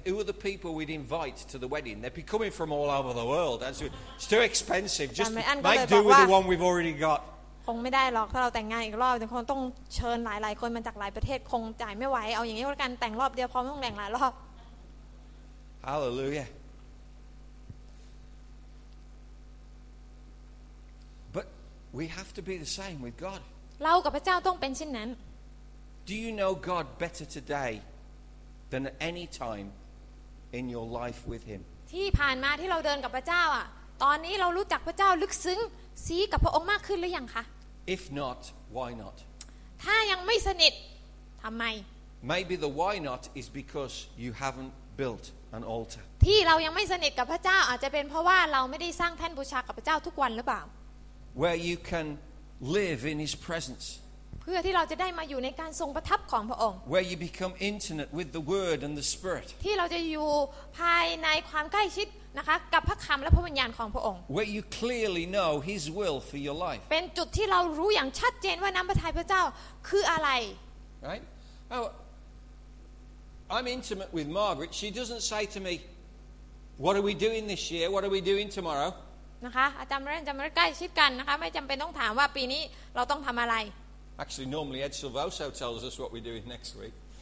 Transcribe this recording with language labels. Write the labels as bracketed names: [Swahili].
[English] Who are the people we'd invite to the wedding? They'd be coming from all over the world. It's too expensive. Just make do with the one we've already got. [Thai] คงไม่ได้หรอกถ้าเราแต่งงานอีกรอบคงต้องเชิญหลายๆคนมาจากหลายประเทศคงจ่ายไม่ไหวเอาอย่างนี้ก็แล้วกันแต่งรอบเดียวพอไม่ต้องแต่งหลายรอบ [English] Hallelujah. We have to be the same with God. [Thai] เรากับพระเจ้าต้องเป็นเช่นนั้น [English] Do you know God better today than at any time in your life with Him? [Thai] ที่ผ่านมาที่เราเดินกับพระเจ้าอ่ะตอนนี้เรารู้จักพระเจ้าลึกซึ้งซีกับพระองค์มากขึ้นหรือยังคะ [English] If not, why not? [Thai] ถ้ายังไม่สนิททำไม [English] Maybe the why not is because you haven't built an altar. [Thai] ที่เรายังไม่สนิทกับพระเจ้าอาจจะเป็นเพราะว่าเราไม่ได้สร้างแท่นบูชากับพระเจ้าทุกวันหรือเปล่า [English] Where you can live in His presence. [Thai] เพื่อที่เราจะได้มาอยู่ในการทรงประทับของพระองค์ [English] Where you become intimate with the Word and the Spirit. [Thai] ที่เราจะอยู่ภายในความใกล้ชิดนะคะกับพระคำและพระวิญญาณของพระองค์ [English] Where you clearly know His will for your life. [Thai] เป็นจุดที่เรารู้อย่างชัดเจนว่าน้ำพระทัยพระเจ้าคืออะไร [English] Right? Oh, I'm intimate with Margaret. She doesn't say to me, "What are we doing this year? What are we doing tomorrow?" [Thai] นะคะอาจารย์เรนจะมาใกล้ชิดกันนะคะไม่จำเป็นต้องถามว่าปีนี้เราต้องทำอะไร [English] Actually normally Ed Silvoso tells us what we're doing next week